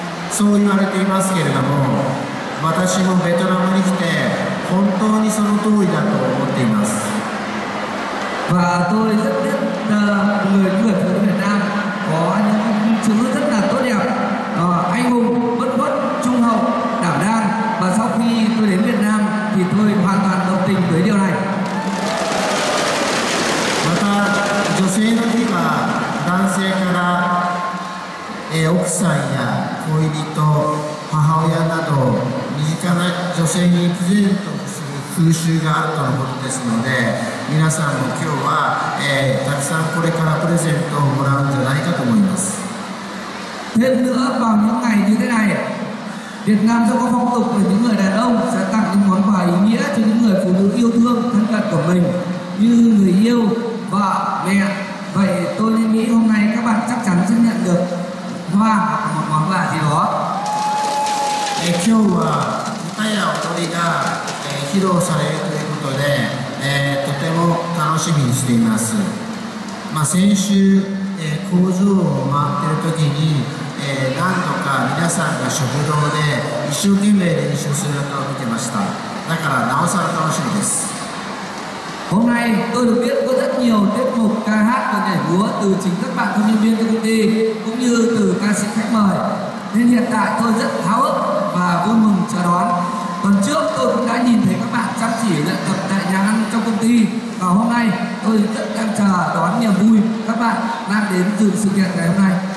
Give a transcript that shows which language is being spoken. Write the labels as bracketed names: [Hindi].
[Japanese] そう言われていますけれども、私もベトナムに来て本当にその通りだと思っています。 [Vietnamese] và tôi rất biết người phụ nữ Việt Nam có những chữ rất là tốt đẹp, anh hùng, bất khuất, trung hậu, đảm đang. Và sau khi tôi đến Việt Nam thì tôi hoàn toàn đồng tình với điều này. [Japanese] Mata, 女性の日は男性から奥さんや恋人、母親など身近な女性にプレゼントする風習があるとのことですので、皆さんも今日は、たくさんこれからプレゼントをもらうんじゃないかと思います。 [Vietnamese] thêm nữa vào những ngày như thế này, Việt Nam sẽ có phong tục để những người đàn ông sẽ tặng những món quà ý nghĩa cho những người phụ nữ yêu thương thân cận của mình như người yêu, vợ, mẹ. Vậy tôi nghĩ hôm nay các bạn chắc chắn sẽ nhận được hoa hoặc một món quà gì đó. [Japanese] え、今日は歌や踊りが、披露されるということで、とても楽しみにしています。まあ、先週、工場を回っている時に、何度か皆さんが食堂で一生懸命練習する方を見てました。だからなおさら楽しみです。 [Vietnamese] Hôm nay tôi được biết có rất nhiều tiết mục ca hát và nhảy múa từ chính các bạn công nhân viên của công ty cũng như từ ca sĩ khách mời. Nên hiện tại tôi rất háo hức và vui mừng chờ đón. Tuần trước tôi cũng đã nhìn thấy các bạn chăm chỉ luyện tập tại nhà ăn trong công ty, và hôm nay tôi rất đang chờ đón niềm vui các bạn đang đến dự sự kiện ngày hôm nay.